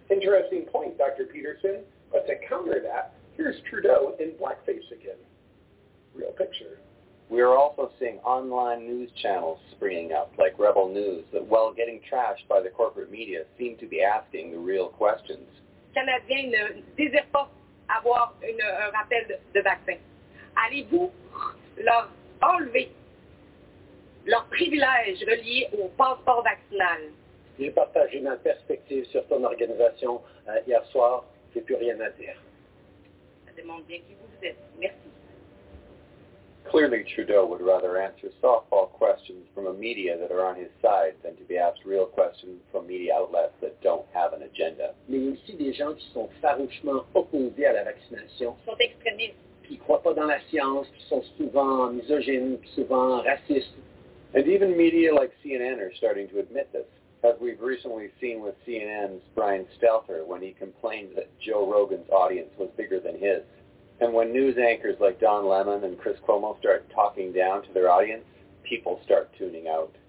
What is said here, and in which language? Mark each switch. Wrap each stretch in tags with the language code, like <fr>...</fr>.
<en>Interesting point, Dr. Peterson, but to counter that, here's Trudeau in blackface again. Real picture. We are also seeing online news channels springing up, like Rebel News, that while getting trashed by the corporate media, seem to be asking the real questions.</en> <fr>Canadiens ne désirent pas avoir un rappel de vaccin. Allez-vous leur enlever leur privilège relié au passeport vaccinal? J'ai partagé ma perspective sur ton organisation hier soir. J'ai plus rien à dire. Ça demande bien qui vous êtes. Merci.</fr> <en>Clearly, Trudeau would rather answer softball questions from a media that are on his side than to be asked real questions from media outlets that don't have an agenda.</en> <fr>Mais aussi des gens qui sont farouchement opposés à la vaccination, sont extrémistes, qui croient pas dans la science, qui sont souvent misogynes, qui souvent racistes.</fr> <en>And even media like CNN are starting to admit this. as we've recently seen with CNN's Brian Stelter when he complained that Joe Rogan's audience was bigger than his. And when news anchors like Don Lemon and Chris Cuomo start talking down to their audience, people start tuning out.</en>